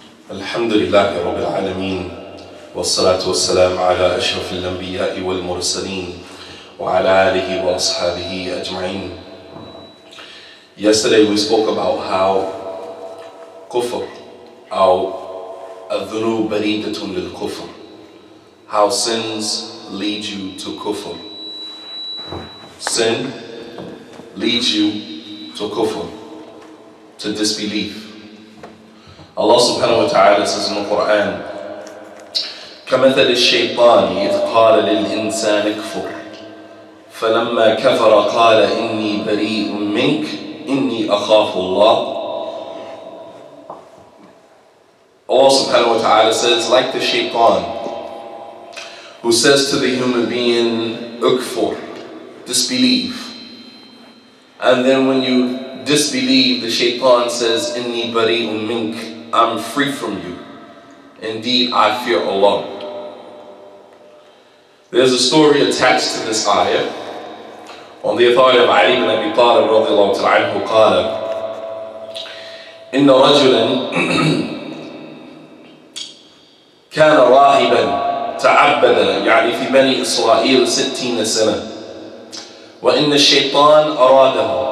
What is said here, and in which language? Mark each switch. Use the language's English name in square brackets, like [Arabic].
[Arabic] الحمد لله رب العالمين والصلاة والسلام على أشرف الأنبياء والمرسلين وعلى آله وأصحابه أجمعين. [English] Yesterday we spoke about how kufr [Arabic] أو الذنوب بريدة للكفر, [English] how sins lead you to kufr. Sin leads you to kufr, to disbelief. Allah subhanahu wa ta'ala says in the Quran, [Arabic] كَمَثَلِ الشَّيْطَانِ إِذْ قَالَ لِلْإِنسَانِ اكْفُرْ فَلَمَّا كَفَرَ قَالَ إِنِّي بَرِيءٌ مِنْكَ إِنِّي أَخَافُ اللَّهِ. [English] Allah subhanahu wa ta'ala says, like the shaytan who says to the human being, اكْفُرْ, disbelieve. And then when you disbelieve, the shaytan says, [Arabic] إِنِّي بَرِيءٌ مِنْكَ, [English] I'm free from you. Indeed, I fear Allah. There's a story attached to this ayah. On the authority of Ali ibn Abi Talib radiallahu ta'ala anhu, qala, [Arabic] إِنَّ رَجُلًا كَانَ رَاهِبًا تَعَبَّدًا يعني في بني إسرائيل 60 سنة وَإِنَّ الشَّيْطَانَ أَرَادَهُ